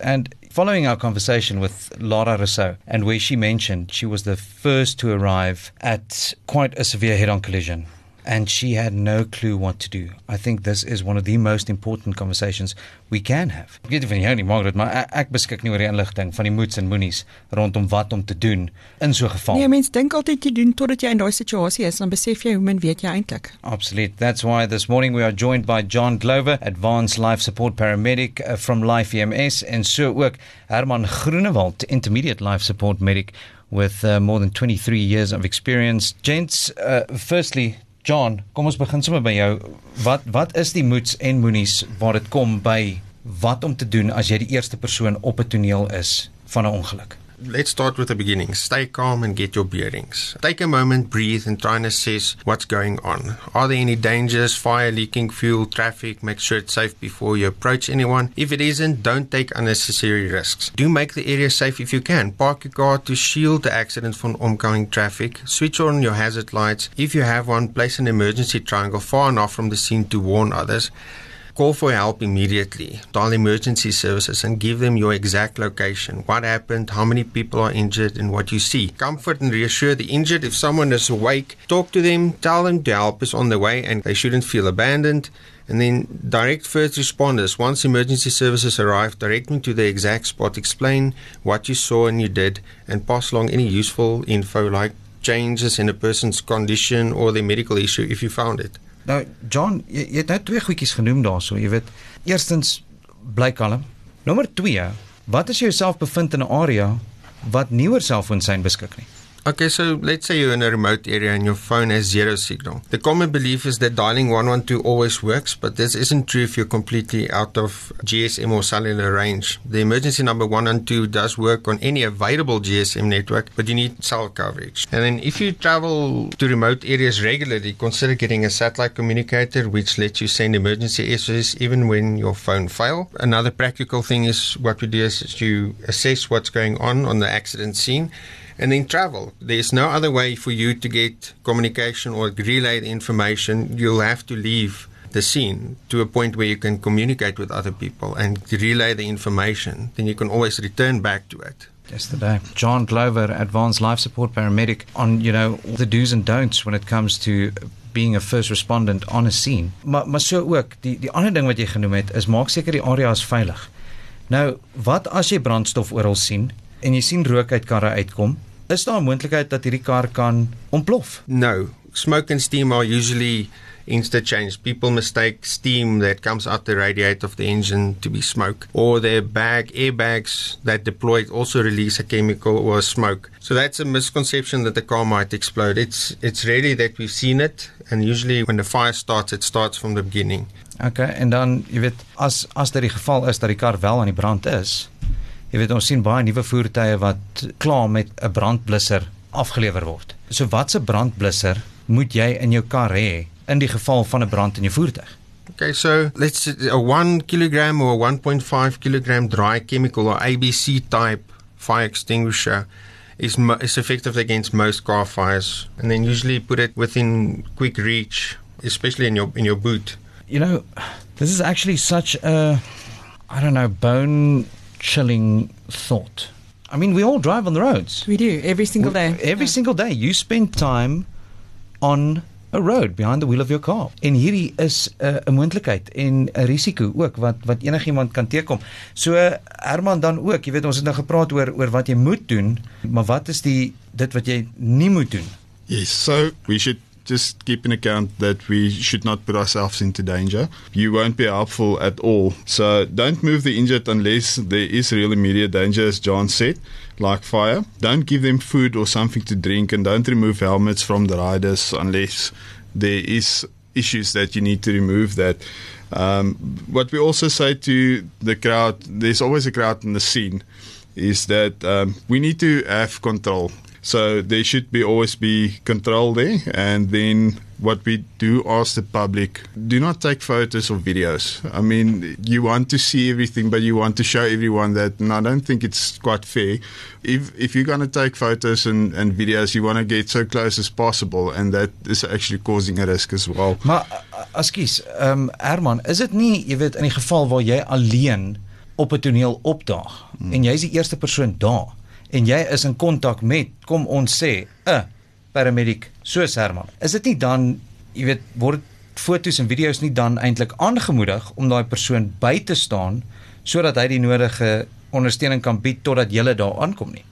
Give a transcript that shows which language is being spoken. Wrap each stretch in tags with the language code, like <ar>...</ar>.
<en>And following our conversation with Lara Rousseau, and where she mentioned she was the first to arrive at quite a severe head-on collision, and she had no clue what to do. I think this is one of the most important conversations we can have.</en> <af>Ek weet nie Margaret, maar ek beskik nie oor die inligting van die moets en moenies rondom wat om te doen in so 'n geval. Nee, mens dink altyd jy doen totdat jy in daai situasie is, dan besef jy hoe min weet jy eintlik. Absoluut.</af> <en>That's why this morning we are joined by John Glover, Advanced Life Support Paramedic from Life EMS,</en> <af>en so ook</af> <en>Herman Groenewald, Intermediate Life Support Medic with more than 23 years of experience. Gents, firstly,</en> <af>John, kom ons begin sommer by jou. Wat is die moets en moenies waar dit kom by wat om te doen as jy die eerste persoon op 'n toneel is van 'n ongeluk?</af> <en>Let's start with the beginning. Stay calm and get your bearings. Take a moment, breathe and try and assess what's going on. Are there any dangers, fire, leaking fuel, traffic? Make sure it's safe before you approach anyone. If it isn't, don't take unnecessary risks. Do make the area safe if you can. Park your car to shield the accident from oncoming traffic. Switch on your hazard lights. If you have one, place an emergency triangle far enough from the scene to warn others. Call for help immediately. Dial emergency services and give them your exact location. What happened? How many people are injured? And what you see. Comfort and reassure the injured. If someone is awake, talk to them. Tell them the help is on the way and they shouldn't feel abandoned. And then direct first responders. Once emergency services arrive, direct them to the exact spot. Explain what you saw and you did. And pass along any useful info like changes in a person's condition or their medical issue if you found it.</en> <af>Nou, John, jy het nou twee goedjies genoem daar, so jy weet, eerstens, bly kalm. Nummer twee, wat as jy jouself bevind in 'n area wat nie oor selfoonsein beskik nie?</af> <en>Okay, so let's say you're in a remote area and your phone has zero signal. The common belief is that dialing 112 always works, but this isn't true if you're completely out of GSM or cellular range. The emergency number 112 does work on any available GSM network, but you need cell coverage. And then if you travel to remote areas regularly, consider getting a satellite communicator, which lets you send emergency SOS even when your phone fails. Another practical thing is what we do is to assess what's going on the accident scene. And then travel. There's no other way for you to get communication or relay the information. You'll have to leave the scene to a point where you can communicate with other people and relay the information. Then you can always return back to it. Yesterday, John Glover, Advanced Life Support Paramedic, on, you know, the do's and don'ts when it comes to being a first respondent on a scene.</en> <af>Maar so ook, die ander ding wat jy genoem het, is maak seker die area is veilig. Nou, wat as jy brandstof oral sien, en jy sien rook uit karre uitkom, is daar 'n moontlikheid dat hierdie kar kan ontplof?</af> <en>No, smoke and steam are usually interchanged. People mistake steam that comes out the radiator of the engine to be smoke, or their airbags that deploy also release a chemical or a smoke. So that's a misconception that the car might explode. It's really that we've seen it, and usually when the fire starts, it starts from the beginning.</en> <af>Okay, en dan, jy weet, as dit die geval is dat die kar wel aan die brand is, jy weet, ons sien baie nuwe voertuie wat klaar met 'n brandblusser afgelever word. So wat 'n brandblusser moet jy in jou kar hê in die geval van 'n brand in jou voertuig?</af> <en>Okay, so let's say a 1 kilogram or 1.5 kilogram dry chemical or ABC type fire extinguisher is effective against most car fires. And then usually put it within quick reach, especially in your boot. You know, this is actually such a, I don't know, bone chilling thought. I mean, we all drive on the roads. We do, every single day. Single day, you spend time on a road behind the wheel of your car.</en> <af>En hierdie is 'n moontlikheid en 'n risiko ook wat enigiemand kan teekom. So Herman dan ook, jy weet, ons het nou gepraat oor wat jy moet doen, maar wat is dit wat jy nie moet doen?</af> <en>Yes, so we should just keep in account that we should not put ourselves into danger. You won't be helpful at all. So don't move the injured unless there is real immediate danger, as John said, like fire. Don't give them food or something to drink, and don't remove helmets from the riders unless there is issues that you need to remove that. What we also say to the crowd, there's always a crowd in the scene, is that we need to have control. So there should be always be control there. And then what we do ask the public, do not take photos or videos. I mean, you want to see everything, but you want to show everyone that, and I don't think it's quite fair. If you're going to take photos and videos, you want to get so close as possible, and that is actually causing a risk as well.</en> <af>Maar,</af> <en>excuse,</en> <af>Herman, is it nie, jy weet, in die geval waar jy alleen op het toneel opdaag, en jy is die eerste persoon daar, en jy is in contact met, kom ons sê, paramedic, soos Herman. Is dit nie dan, jy weet, word foto's en video's nie dan eintlik aangemoedig om daai persoon by te staan sodat hy die nodige ondersteuning kan bied totdat jy daar aankom nie?</af>